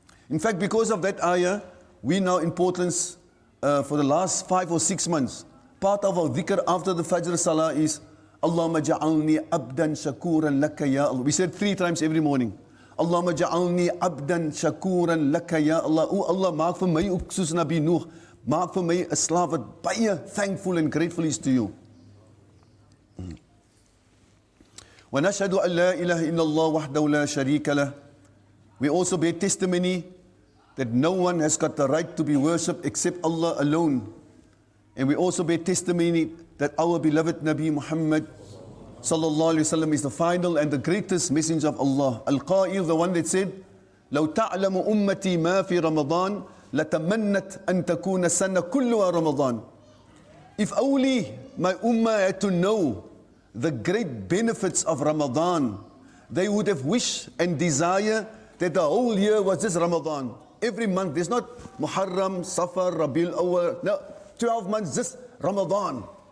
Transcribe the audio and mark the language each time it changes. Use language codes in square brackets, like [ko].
[en] In fact, because of that ayah, we now in Portland, for the last 5 or 6 months, part of our dhikr after the Fajr Salah is, [ar] Allahumma ja'alni abdan shakuran laka ya Allah. [en] We said 3 times every morning. [ar] Allahumma ja'alni abdan shakuran laka ya Allah. [en] Oh Allah, maak for me uksus nabi Nuh. Maak for me a slave that baya thankful and grateful is to you. [ar] ونشهد أن لا إله إلا الله وحده لا شريك له. [en] We also bear testimony that no one has got the right to be worshipped except Allah alone. And we also bear testimony that our beloved Nabi Muhammad صلى الله عليه وسلم is the final and the greatest messenger of Allah. [ar] القائل [en] the one that said, [ar] لو تعلم أمتي ما في رمضان لتمنت أن تكون السنة كلها رمضان. [en] If only my ummah had to know the great benefits of Ramadan, they would have wished and desire that the whole year was just Ramadan. Every month, there's not Muharram, Safar, Rabiul Awwal, no, 12 months, just Ramadan.